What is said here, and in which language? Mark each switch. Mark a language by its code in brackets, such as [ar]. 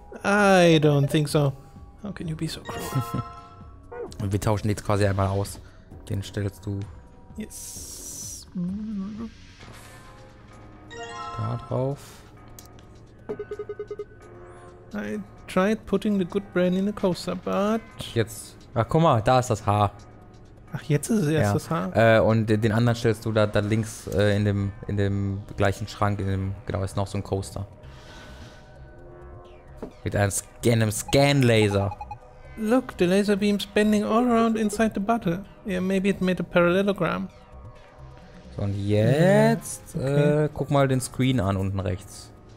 [en] I don't think so. How can you be so cruel? [de] Wir tauschen jetzt quasi einmal aus. Den stellst du. [en] Yes. [de] Da drauf. [en] I tried putting the good brand in the coaster, but. [de] Jetzt. Ach, guck mal, da ist das Haar. Ach, jetzt ist es erst das Haar? Und den anderen stellst du da links in dem gleichen Schrank, ist noch so ein Coaster. Mit einem Scan-Laser. [en] Look, the laser beam's bending all around inside the bottle. Yeah, maybe it made a parallelogram. [de] So, und jetzt, guck mal den Screen an unten rechts.